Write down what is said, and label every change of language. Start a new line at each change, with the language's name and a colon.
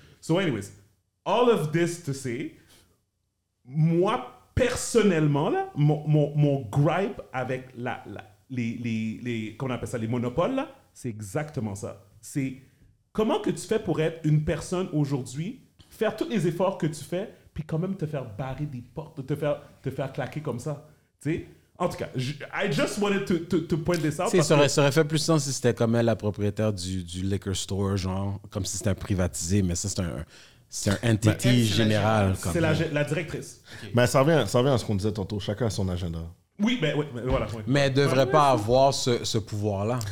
English: So anyways, all of this to say,
French: moi, personnellement, là, mon gripe avec les monopoles, là, c'est exactement ça. C'est comment que tu fais pour être une personne aujourd'hui, faire tous les efforts que tu fais, puis quand même te faire barrer des portes, te faire claquer comme ça. T'sais? En tout cas,
English: I just wanted to point this out.
French: Ça aurait fait plus sens si c'était comme elle, la propriétaire du liquor store, genre, comme si c'était un privatisé, mais ça, c'est un entity général. C'est la directrice. Mais okay. Ben, ça revient à ce qu'on disait tantôt. Chacun a son agenda. Oui, mais ben, voilà. Oui. Mais elle ne devrait pas avoir ce pouvoir-là.